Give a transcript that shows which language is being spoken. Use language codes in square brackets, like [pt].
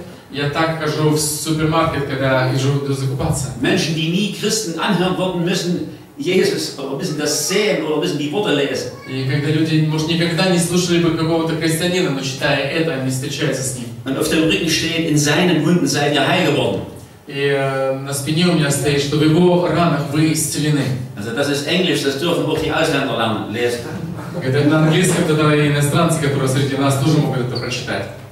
[ru] Я так хожу в супермаркет, когда иду закупаться. [de] Menschen, die nie Christen anhören würden müssen, Jesus, aber müssen das sehen oder müssen die Worte lesen? [ru] И когда люди, может, никогда не слушали бы какого-то христианина, но читая это, они встречаются с ним. [de] Und auf dem Rücken steht: In seinen Wunden seid ihr heil geworden. [ru] И на спине у меня стоит, что в его ранах вы исцелены. [de] Also das ist Englisch, das dürfen auch die Ausländer lernen, lesen. [ru] Когда на английском, тогда и иностранцы, которые среди нас, тоже могут это прочитать.